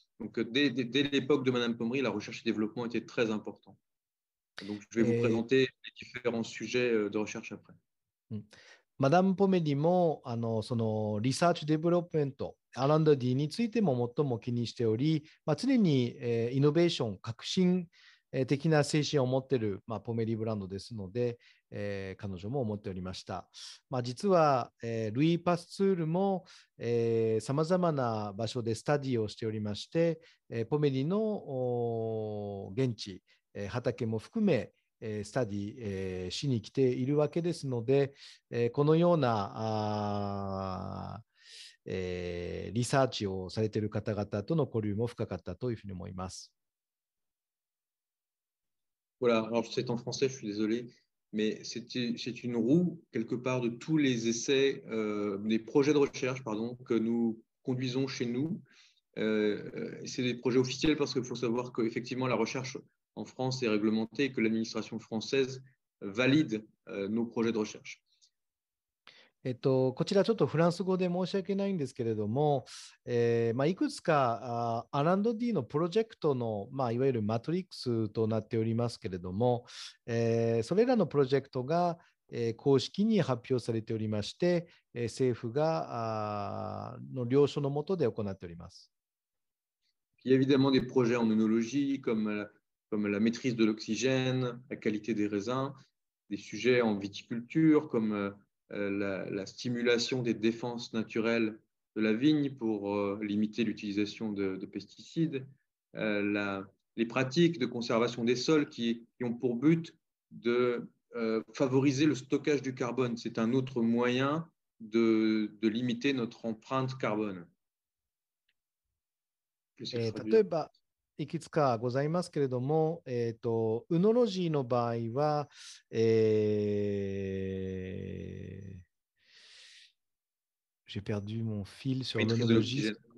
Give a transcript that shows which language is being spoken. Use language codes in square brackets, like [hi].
[fr] Donc, dès l'époque de Madame Pommery, la recherche et développement était très important. Donc, je vais vous présenter les différents sujets de recherche après. [ja] Madame Pommery も、その、リサーチ・デベロップメント、R&Dについても最も気にしており、常に、イノベーション、革新、的な精神を持っている、ポメリーブランドですので、彼女も思っておりました。実は、ルイ・パスツールも、さまざまな場所でスタディをしておりまして、ポメリーの現地、畑も含め、スタディ、しに来ているわけですので、このようなリサーチをされている方々との交流も深かったというふうに思います。 [fr] Voilà, alors c'est en français, je suis désolé, mais c'est une roue quelque part de tous les essais, des projets de recherche pardon, que nous conduisons chez nous. C'est des projets officiels parce qu'il faut savoir qu'effectivement la recherche en France est réglementée et que l'administration française valide nos projets de recherche. [ja] こちらちょっとフランス語で申し訳ないんですけれども、いくつか R&D のプロジェクトの、いわゆるマトリックスとなっておりますけれども、それらのプロジェクトが、公式に発表されておりまして、政府がの了承の下で行っております。 [fr] Il y a évidemment des projets en œnologie, comme la maîtrise de l'oxygène, la qualité des raisins, des sujets en viticulture, comme la stimulation des défenses naturelles de la vigne pour limiter l'utilisation de pesticides, les pratiques de conservation des sols qui ont pour but de favoriser le stockage du carbone. C'est un autre moyen de limiter notre empreinte carbone. Qu'est-ce que ça traduit ? [ja] いくつかございますけれども、ウノロジーの場合は、 [fr] j'ai perdu mon fil sur l'onologie.